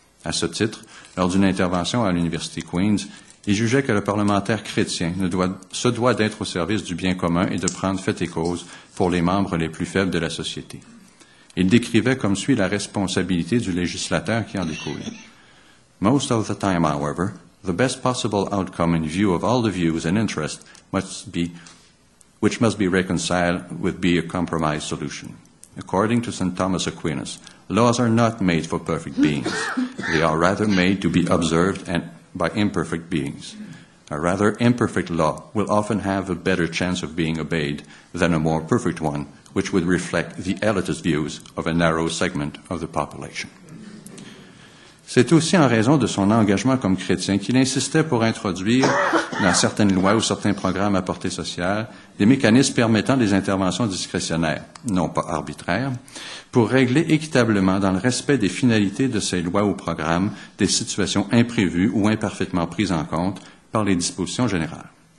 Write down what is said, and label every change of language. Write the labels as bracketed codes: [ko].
[fr] À ce titre, lors d'une intervention à l'Université Queen's, il jugeait que le parlementaire chrétien se doit d'être au service du bien commun et de prendre fait et cause pour les membres les plus faibles de la société. Il décrivait comme suit la responsabilité du législateur qui en découle. [en] Most of the time, however, the best possible outcome in view of all the views and interests which must be reconciled with be a compromise solution. According to St. Thomas Aquinas, laws are not made for perfect beings. They are rather made to be observed by imperfect beings. A rather imperfect law will often have a better chance of being obeyed than a more perfect one, which would reflect the elitist views of a narrow segment of the population. [fr] C'est aussi en raison de son engagement comme chrétien qu'il insistait pour introduire, dans certaines lois ou certains programmes à portée sociale, des mécanismes permettant des interventions discrétionnaires, non pas arbitraires, pour régler équitablement, dans le respect des finalités de ces lois ou programmes, des situations imprévues ou imparfaitement prises en compte par les dispositions générales.